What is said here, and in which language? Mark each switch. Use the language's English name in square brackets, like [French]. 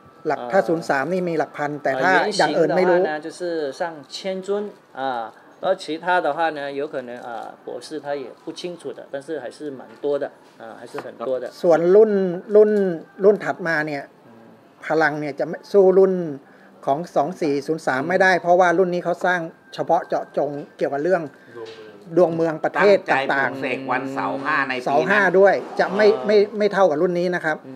[Thai] หลักถ้า03นี่มีหลักพันแต่ถ้าอย่างอื่นไม่รู้ นะก็คือสร้าง [Chinese] 千尊 [Thai] แล้ว [Chinese] 其他的话呢有可能博士他也不清楚的但是还是蛮多的还是很多的 [Thai] ส่วนรุ่นถัดมาเนี่ยพลังเนี่ยจะสู้รุ่นของ2403ไม่ได้เพราะว่ารุ่นนี้เขาสร้างเฉพาะเจาะจงเกี่ยวกับเรื่องดวงเมืองประเทศต่าง ๆเสกวันเสาร์5ในปี5ด้วยจะไม่เท่ากับรุ่นนี้นะครับ